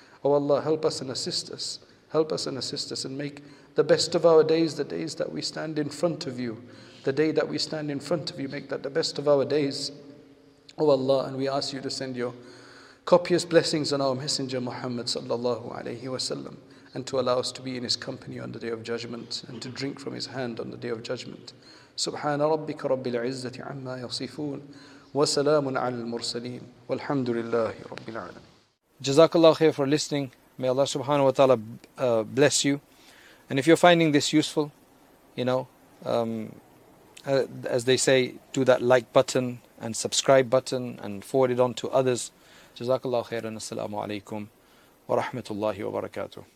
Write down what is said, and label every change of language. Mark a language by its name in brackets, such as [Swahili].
[English] Oh Allah, help us and assist us. Help us and assist us and make the best of our days the days that we stand in front of you. The day that we stand in front of you, make that the best of our days. Oh Allah, and we ask you to send your copious blessings on our messenger Muhammad sallallahu alayhi wa sallam and to allow us to be in his company on the day of judgment and to drink from his hand on the day of judgment. [Arabic] سبحان ربك رب العزة عما يصفون وسلام على المرسلين والحمد لله رب العالمين. جزاك الله خير [English] for listening. May Allah subhanahu wa ta'ala bless you. And if you're finding this useful, you know, as they say, do that like button and subscribe button and forward it on to others. [Arabic] جزاك الله خير. السلام عليكم ورحمة الله وبركاته.